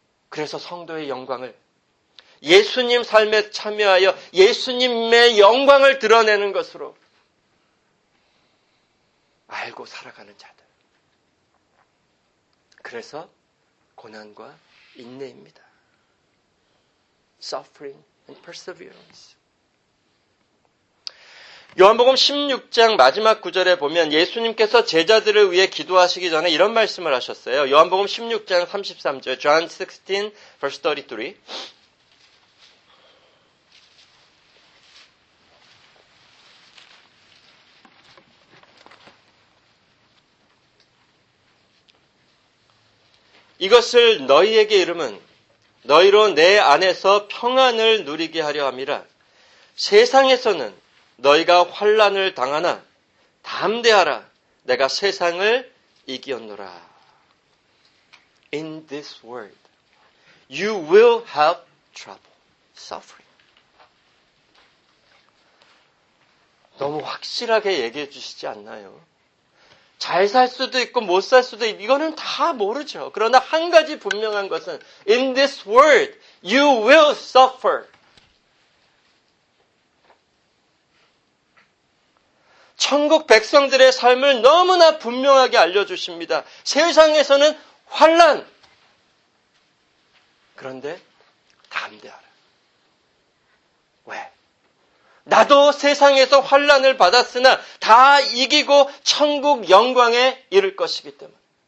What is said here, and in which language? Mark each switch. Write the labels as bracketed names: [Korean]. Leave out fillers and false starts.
[Korean] 그래서 성도의 영광을 예수님 삶에 참여하여 예수님의 영광을 드러내는 것으로 알고 살아가는 자들. 그래서 고난과 인내입니다. [English] Suffering and perseverance. [Korean] 요한복음 16장 마지막 구절에 보면 예수님께서 제자들을 위해 기도하시기 전에 이런 말씀을 하셨어요. 요한복음 16장 33절, [English] John 16, verse 33. [Korean] 이것을 너희에게 이름은 너희로 내 안에서 평안을 누리게 하려 함이라. 세상에서는 너희가 환난을 당하나 담대하라. 내가 세상을 이기었노라. [English] In this world, you will have trouble, suffering. [Korean] 너무 확실하게 얘기해 주시지 않나요? 잘 살 수도 있고 못 살 수도 있고 이거는 다 모르죠. 그러나 한 가지 분명한 것은 [English] In this world, you will suffer. [Korean] 천국 백성들의 삶을 너무나 분명하게 알려주십니다. 세상에서는 환난. 그런데 담대하라. 왜? 나도 세상에서 환난을 받았으나 다 이기고 천국 영광에 이를 것이기 때문에.